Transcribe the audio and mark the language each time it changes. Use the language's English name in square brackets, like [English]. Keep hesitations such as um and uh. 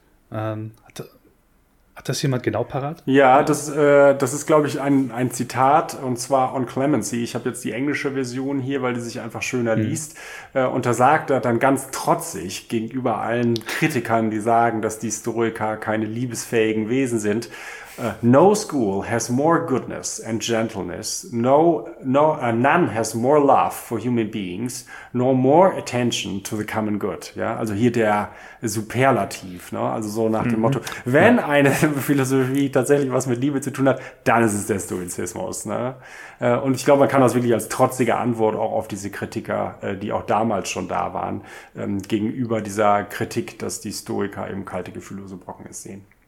[German] Ähm, hat, hat das jemand genau parat? Ja, das, äh, das ist, glaube ich, ein, ein Zitat und zwar on Clemency. Ich habe jetzt die englische Version hier, weil die sich einfach schöner mhm. liest. Äh, und da sagt er dann ganz trotzig gegenüber allen Kritikern, die sagen, dass die Historiker keine liebesfähigen Wesen sind. [English] Uh, no school has more goodness and gentleness. No, no, uh, none has more love for human beings, nor more attention to the common good. [German] Ja, also hier der Superlativ, ne? Also so nach dem mhm. Motto, wenn ja. eine Philosophie tatsächlich was mit Liebe zu tun hat, dann ist es der Stoizismus, ne? Und ich glaube, man kann das wirklich als trotzige Antwort auch auf diese Kritiker, die auch damals schon da waren, gegenüber dieser Kritik, dass die Stoiker eben kalte Gefühle so brocken ist, sehen.